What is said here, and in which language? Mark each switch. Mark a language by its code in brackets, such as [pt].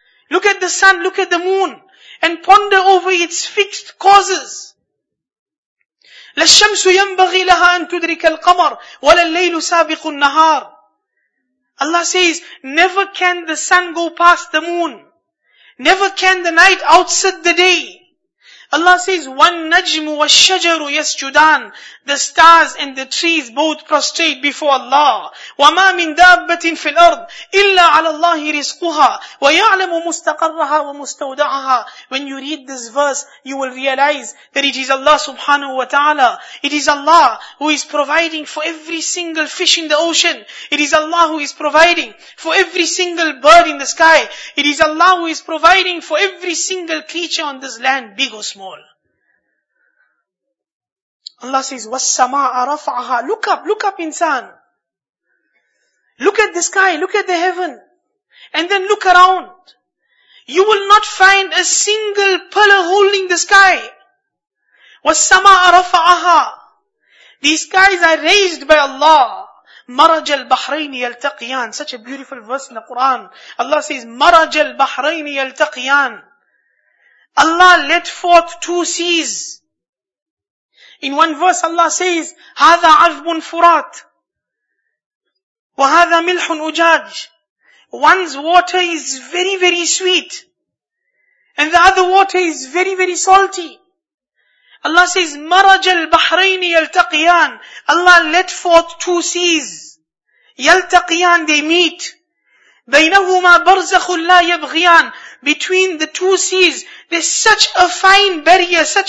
[en] Look at the sun, look at the moon, and ponder over its fixed causes. [ar] لَالشَّمْسُ يَنْبَغِي لَهَا أَن تُدْرِكَ الْقَمَرِ وَلَا اللَّيْلُ سَابِقُ النَّهَارِ. [en] Allah says, never can the sun go past the moon. Never can the night outsit the day. Allah says, [ar] وَالنَّجْمُ وَالشَّجَرُ يَسْجُدَانِ. [en] The stars and the trees both prostrate before Allah. [ar] وَمَا مِن دَابَّةٍ فِي الْأَرْضِ إِلَّا عَلَى اللَّهِ رِزْقُهَا وَيَعْلَمُ مُسْتَقَرَّهَا وَمُسْتَوْدَعَهَا. [en] When you read this verse, you will realize that it is Allah subhanahu wa ta'ala. It is Allah who is providing for every single fish in the ocean. It is Allah who is providing for every single bird in the sky. It is Allah who is providing for every single creature on this land, big or small. Allah says, [ar] وَالسَّمَاءَ رَفَعَهَا. [en] Look up, insan. Look at the sky, look at the heaven. And then look around. You will not find a single pillar holding the sky. [ar] وَالسَّمَاءَ رَفَعَهَا. [en] These skies are raised by Allah. [ar] مَرَجَ الْبَحْرَيْنِ يَلْتَقِيَانِ. [en] Such a beautiful verse in the Quran. Allah says, [ar] مَرَجَ الْبَحْرَيْنِ يَلْتَقِيَانِ. [en] Allah let forth two seas. In one verse Allah says, [ar] هَذَا عَذْبٌ فُرَاتٌ وَهَذَا مِلْحٌ أُجَاجٌ. [en] One's water is very, very sweet. And the other water is very, very salty. Allah says, [ar] مَرَجَ الْبَحْرَيْنِ يَلْتَقِيَانِ. [en] Allah let forth two seas. يَلْتَقِيَانِ, they meet. [ar] بَيْنَهُمَا بَرْزَخٌ لَا يَبْغِيَانِ. [en] Between the two seas, there's such a fine barrier.